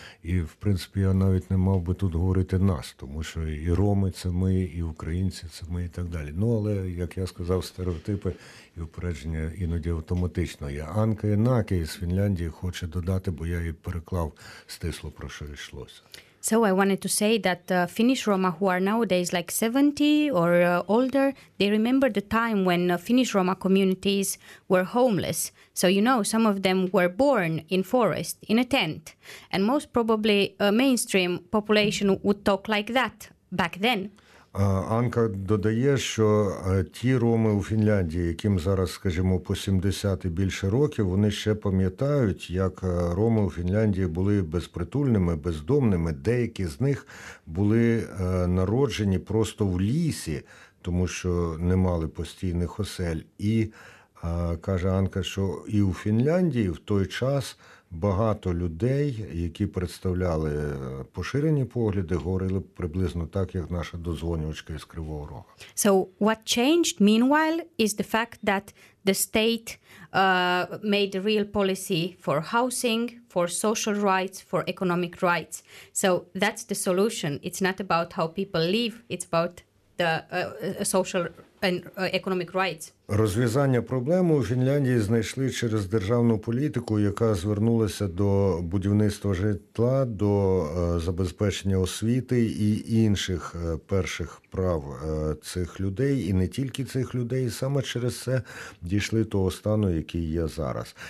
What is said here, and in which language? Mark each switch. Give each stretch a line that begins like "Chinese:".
Ukrainian: І, в принципі, я навіть не мав би тут говорити нас, тому що і роми – це ми, і українці – це ми, і так далі. Ну, але, як я сказав, стереотипи і упередження іноді автоматично є. Анка Інаке із Фінляндії хоче додати, бо я її переклав стисло, про що йшлося.
English: So I wanted to say that Finnish Roma who are nowadays like 70 or older, they remember the time when Finnish Roma communities were homeless. So, you know, some of them were born in forest, in a tent. And most probably a mainstream population would talk like that back then.
Ukrainian: Анка додає, що ті роми у Фінляндії, яким зараз, скажімо, по 70 і більше років, вони ще пам'ятають, як роми у Фінляндії були безпритульними, бездомними. Деякі з них були народжені просто в лісі, тому що не мали постійних осель. І, каже Анка, що і у Фінляндії в той час багато людей, які представляли поширені погляди, говорили приблизно так, як наша дозвонювачка із Кривого Рога.
English: So what changed meanwhile is the fact that the state made a real policy for housing, for social rights, for economic rights. So that's the solution. It's not about how people live, it's about the social and economic rights.
Ukrainian: Розв'язання проблеми у Фінляндії знайшли через державну політику, яка звернулася до будівництва житла, до забезпечення освіти і інших перших прав цих людей, і не тільки цих людей, саме через це дійшли того стану, який є зараз.